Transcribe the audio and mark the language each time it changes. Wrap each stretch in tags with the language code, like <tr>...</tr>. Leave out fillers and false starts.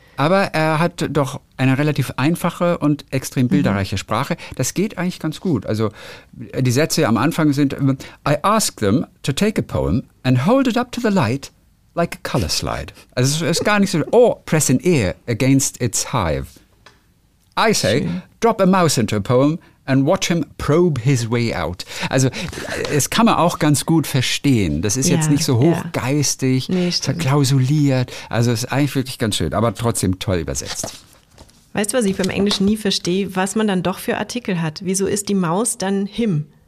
<de>Aber er hat doch eine relativ einfache und extrem bilderreiche Sprache. Das geht eigentlich ganz gut. Also die Sätze am Anfang sind,</de> <en>I ask them to take a poem and hold it up to the light like a color slide.</en> <de>Also es ist gar nicht so,</de> <en>or press an ear against its hive. I say, schön. Drop a mouse into a poem and watch him probe his way out.</en> <de>Also es kann man auch ganz gut verstehen. Das ist jetzt nicht so hochgeistig, verklausuliert. Also es ist eigentlich wirklich ganz schön, aber trotzdem toll übersetzt. Weißt du, was ich beim Englischen nie verstehe? Was man dann doch für Artikel hat. Wieso ist die Maus dann him?</de>